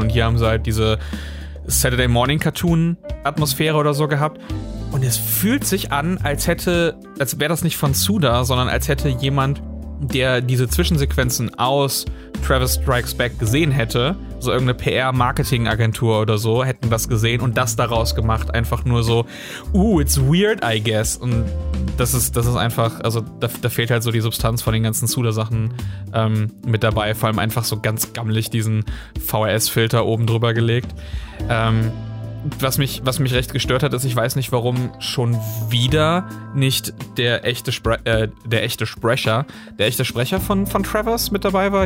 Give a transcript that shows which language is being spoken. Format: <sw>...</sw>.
<de>Und hier haben sie halt diese Saturday Morning Cartoon Atmosphäre oder so gehabt. Und es fühlt sich an, als wäre das nicht von Suda, sondern als hätte jemand, der diese Zwischensequenzen aus Travis Strikes Back gesehen hätte, so irgendeine PR-Marketing-Agentur oder so, hätten das gesehen und das daraus gemacht. Einfach nur so,</de> <en>it's weird, I guess.</en> <de>Und das ist einfach, also da fehlt halt so die Substanz von den ganzen Suda-Sachen mit dabei. Vor allem einfach so ganz gammelig diesen VRS-Filter oben drüber gelegt. Was mich recht gestört hat, ist, ich weiß nicht, warum schon wieder nicht der echte Sprecher von Travis mit dabei war.</de>